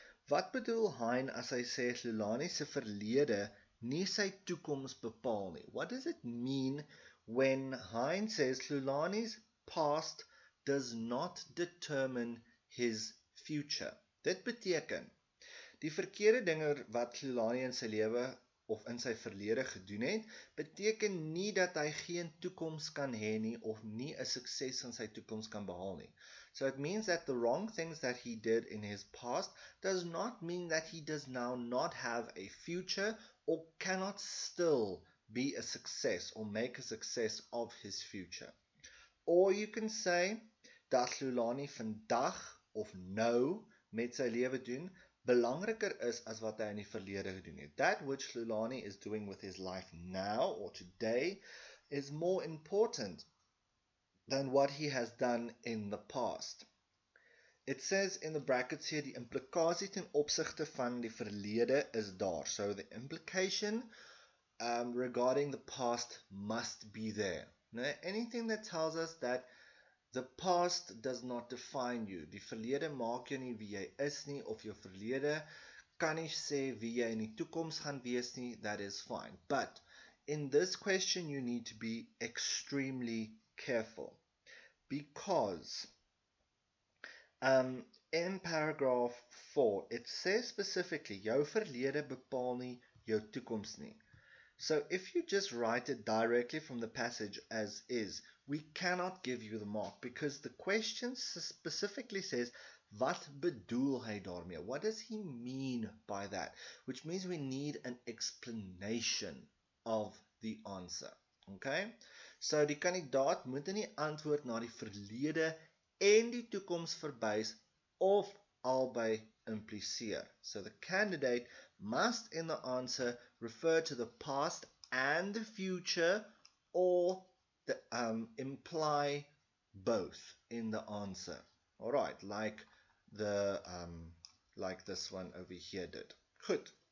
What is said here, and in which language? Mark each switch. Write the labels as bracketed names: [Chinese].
[Afrikaans] Wat bedoel Hein as hy sê Lulani se verlede nie sy toekoms bepaal nie? [English] What does it mean when Hein says Lulani's past does not determine his future? [Afrikaans] Dit beteken, die verkeerde dinge wat Tulani in sy lewe of in sy verlede gedoen het, beteken nie dat hy geen toekoms kan hê nie of nie 'n sukses in sy toekoms kan behaal nie. [English] So it means that the wrong things that he did in his past does not mean that he does now not have a future or cannot still be a success or make a success of his future. Or you can say [Afrikaans] dat Tulani vandag of nou met sy lewe doen belangriker is as wat hy in die verlede gedoen het. [English] That which Tulani is doing with his life now or today is more important than what he has done in the past. It says in the brackets here, [Afrikaans] die implikasie ten opsigte van die verlede is daar. [English] So the implication regarding the past must be there. Now, anything that tells us that the past does not define you. [Afrikaans] Die verlede maak jou nie wie jy is nie, of jou verlede kan nie sê wie jy in die toekoms gaan wees nie, [English] that is fine. But in this question you need to be extremely careful. Because in paragraph 4 it says specifically [Afrikaans] jou verlede bepaal nie jou toekoms nie. [English] So if you just write it directly from the passage as is, we cannot give you the mark, because the question specifically says, [Afrikaans] wat bedoel hy daarmee? [English] What does he mean by that? Which means we need an explanation of the answer. Okay? [Afrikaans] So die kandidaat moet in die antwoord na die verlede en die toekoms verwys of albei impliseer. [English] So the candidate must in the answer refer to the past and the future, or imply both in the answer. All right, like the like this one over here did. [Afrikaans] Goed.